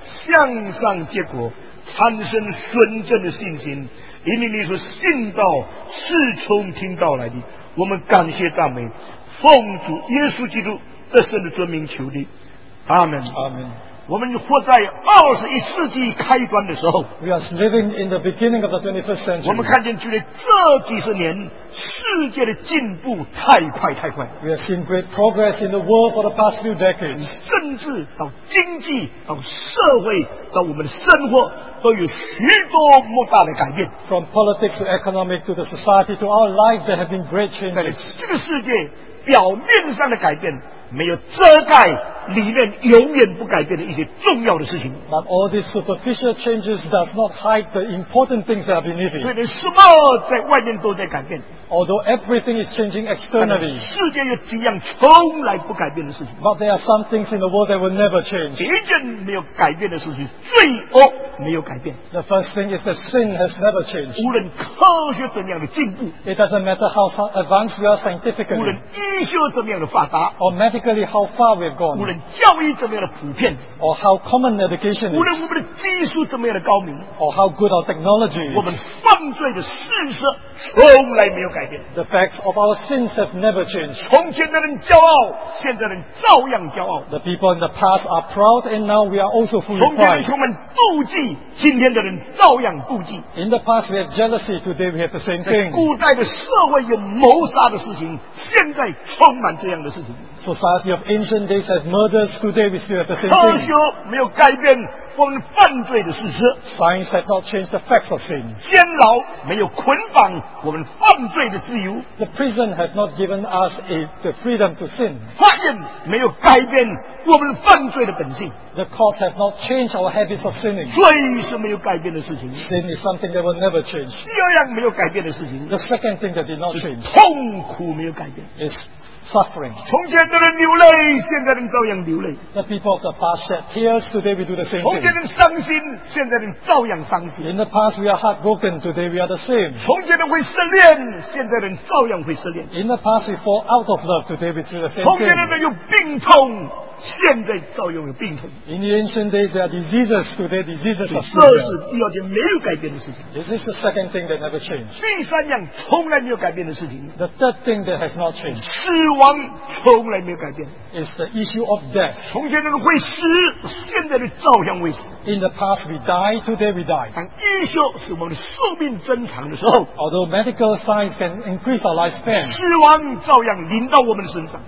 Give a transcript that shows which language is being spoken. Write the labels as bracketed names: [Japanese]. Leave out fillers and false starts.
[Chinese] 向上结果产生纯正的信心因为你说信道是从听道来的我们感谢赞美奉主耶稣基督得胜的尊名求的阿们阿们我们活在二十一世纪开端的时候 [English] We are living in the beginning of the 21st century [Chinese] 我们看见距离这几十年世界的进步太快太快 [English] We have seen great progress in the world for the past few decades [Chinese] 甚至到经济到社会到我们的生活都有许多莫大的改变 [English] From politics to economic to the society to our life there have been great changes [Chinese] 但是这个世界表面上的改变没有遮盖里面永远不改变的一些重要的事情 [English] But all these superficial changes does not hide the important things that are beneath it [Chinese] 所以什么在外面都在改变 [English] Although everything is changing externally [Chinese] 世界有几样从来不改变的事情 [English] But there are some things in the world that will never change [Chinese] 别人没有改变的事情罪恶没有改变 [English] The first thing is that sin has never changed [Chinese] 无论科学怎样的进步 [English] It doesn't matter how advanced we are scientifically [Chinese] 无论医学怎样的发达 [English] Or medically how far we have gone [Chinese] 无论教育怎么样的普遍 [English] Or how common education is [Chinese] 无论我们的技术怎么样的高明 [English] Or how good our technology is [Chinese] 我们犯罪的事实从来没有改变 [English] The facts of our sins have never changed [Chinese] 从前的人骄傲现在的人照样骄傲 [English] The people in the past are proud and now we are also full of pride [Chinese] 从前的人充满妒忌今天的人照样妒忌 [English] In the past we had jealousy today we have the same thing [Chinese] 古代的社会有谋杀的事情现在充满这样的事情 [English] Society of ancient days has murders today we still have the same thing [Chinese] 科学没有改变我们犯罪的事实 [English] Science has not changed the facts of sin [Chinese] 监牢没有捆绑我们犯罪的自由 [English] The prison has not given us the freedom to sin [Chinese] 法院没有改变我们犯罪的本性 [English] The courts have not changed our habits of sinning [Chinese] 罪是没有改变的事情 [English] Sin is something that will never change [Chinese] 第二样没有改变的事情 [English] The second thing that did not change [Chinese] 痛苦没有改变 [English] Is suffering [Chinese] 从前的人流泪现在的人照样流泪 [English] The people of the past shed tears today we do the same thing [Chinese] 从前的人伤心现在的人照样伤心 [English] In the past we are heartbroken today we are the same [Chinese] 从前的人会失恋现在的人照样会失恋 [English] In the past we fall out of love today we do the same thing [Chinese] 从前的人有病痛现在照样有病痛 [English] In the ancient days there are diseases today diseases are severe [Chinese] 这是第二件没有改变的事情 [English] This is the second thing that never changed [Chinese] 第三样从来没有改变的事情 [English] The third thing that has not changed [Chinese] 死亡从来没有改变 [English] It's the issue of death [Chinese] 从前的人会死现在的照样会死 [English] In the past we die today we die [Chinese] 当医学使我们的寿命增长的时候 [English] Although medical science can increase our lifespan [Chinese] 死亡照样临到我们的身上